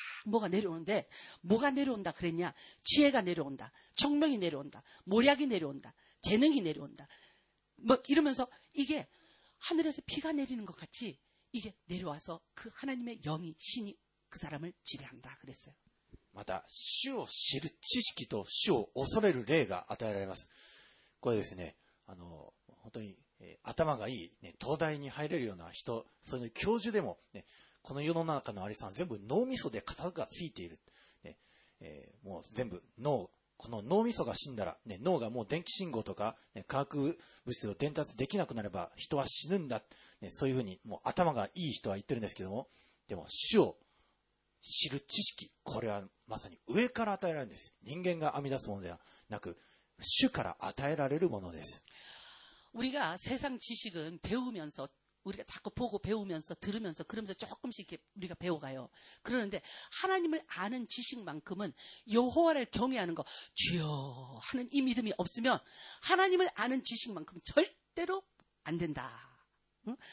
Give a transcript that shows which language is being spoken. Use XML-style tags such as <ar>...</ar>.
<ko>뭐가 내려오는데 뭐가 내려온다 그랬냐? 지혜가 내려온다. 청명이 내려온다. 모략이 내려온다. 재능이 내려온다. 뭐 이러면서 이게 하늘에서 비가 내리는 것 같이 이게 내려와서 그 하나님의 영이 신이 그 사람을 지배한다 그랬어요.</ko> <ja>また 主を知る知識と主を恐れる霊が与えられます。これですね、本当に頭がいいね、東大に入れるような人、その教授でも、ね、この世の中のありさん全部脳みそで肩がついている。ね、もう全部脳、この脳みそが死んだら、ね、脳がもう電気信号とか、ね、化学物質を伝達できなくなれば人は死ぬんだ。ね、そういうふうに、もう頭がいい人は言ってるんですけども、でも主を 知る知識、これはまさに上から与えられるんです。人間が編み出すものではなく、主から与えられるものです。</ja> <ko>우리가 세상 지식은 배우면서 우리가 자꾸 보고 배우면서 들으면서 그러면서 조금씩 이렇게 우리가 배워가요. 그러는데 하나님을 아는 지식만큼은 여호와를 경외하는 거 주여 하는 이 믿음이 없으면 하나님을 아는 지식만큼 절대로 안 된다. 응?</ko>